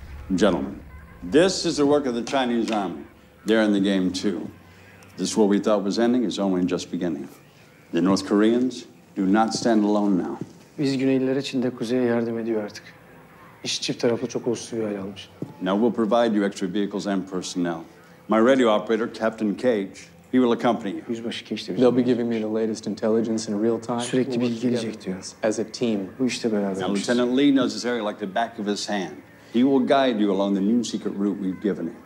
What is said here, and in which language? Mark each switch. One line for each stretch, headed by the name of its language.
English: Gentlemen, this is the work of the Chinese army. They're in the game too. This war we thought was ending is only just beginning. The North Koreans do not stand alone now.
Turkish: Biz Güneylilere Çin'de Kuzey'e yardım ediyor artık. İş çift taraflı çok olumsuz bir hal almış.
English: Now we'll provide you extra vehicles and personnel. My radio operator, Captain Cage, he will accompany you.
Turkish: Yüzbaşı Cage de
English: They'll be giving me the latest intelligence in real time.
Turkish: Sürekli bilgi gelecek diyor.
English: As a team.
Turkish: Bu işte beraber.
English: Now Lieutenant Lee knows this area like the back of his hand. He will guide you along the new secret route we've given him.